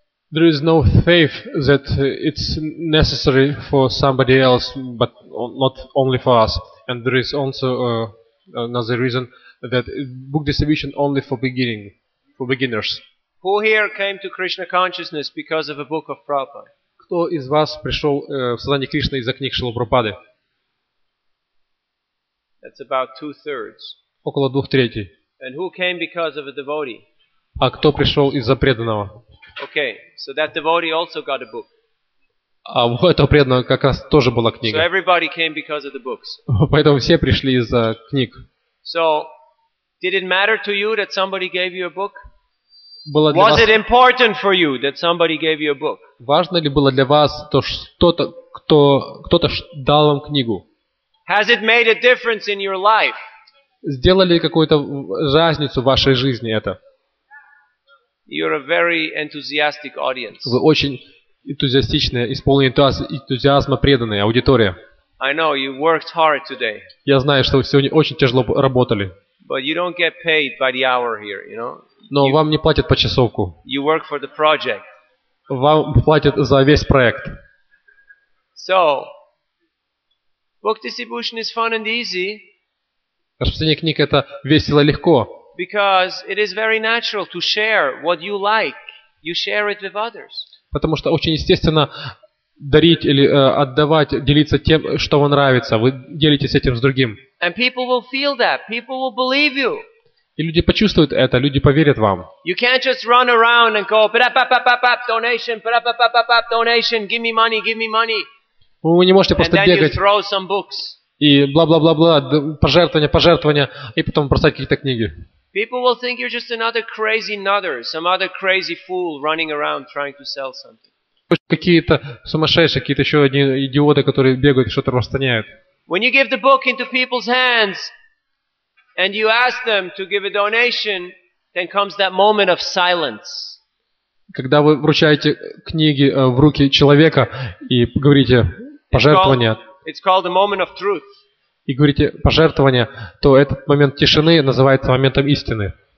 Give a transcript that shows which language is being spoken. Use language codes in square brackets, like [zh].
[en] There is no faith that it's necessary for somebody else, but not only for us. And there is also another reason that book distribution only for beginning, for beginners. Who here came to Krishna consciousness because of a book of Prabhupada? [ru] Кто из вас пришел в сознание Кришны из-за книг Шрилы Прабхупады? [en] That's about 2/3. [ru] Около 2/3. [en] And who came because of a devotee? [ru] А кто пришел из-за преданного? [en] Okay, so that devotee also got a book. [ru] А у этого преданного как раз тоже была книга. [en] So everybody came because of the books. [ru] Поэтому все пришли из-за книг. [en] So, did it matter to you that somebody gave you a book? [ru] Было для [en] Was [ru] вас... [en] it important for you that somebody gave you a book? [ru] Важно ли было для вас то, что кто-то дал вам книгу? [en] Has it made a difference in your life? [ru] Сделали какую-то разницу в вашей жизни это? [en] You're a very enthusiastic audience. [ru] Вы очень энтузиастичная, исполненная энтузиазма преданная аудитория. [en] I know you worked hard today. [ru] Я знаю, что вы сегодня очень тяжело работали. [en] But you don't get paid by the hour here, you know? [ru] Но вам не платят по часовку. [en] You work for the project. [ru] Вам платят за весь проект. [en] So, book distribution is fun and easy. [ru] Распространение книг это весело и легко. [en] Because it is very natural to share what you like. You share it with others. [ru] Потому что очень естественно дарить или отдавать, делиться тем, что вам нравится. Вы делитесь этим с другим. [en] And people will feel that. People will believe you. [ru] И люди почувствуют это, люди поверят вам. [en] You can't just run around and go, ba-da-ba-ba-ba-ba-ba, donation, ba-da-ba-ba-ba-ba, donation, give me money, [ru] Вы не можете просто [en] and [ru] бегать. [en] And then you throw some books. [ru] И бла-бла-бла-бла, пожертвования, пожертвования, и потом бросать какие-то книги. [en] People will think you're just another crazy nutter, some other crazy fool running around trying to sell something. [ru] Какие-то сумасшедшие, какие-то еще одни идиоты, которые бегают и что-то распространяют. [en] When you give the book into people's hands and you ask them to give a donation, then comes that moment of silence. [ru] Когда вы вручаете книги в руки человека и говорите пожертвования, [en] It's called the moment of truth. [ru] И говорите пожертвование, то этот момент тишины называется моментом истины.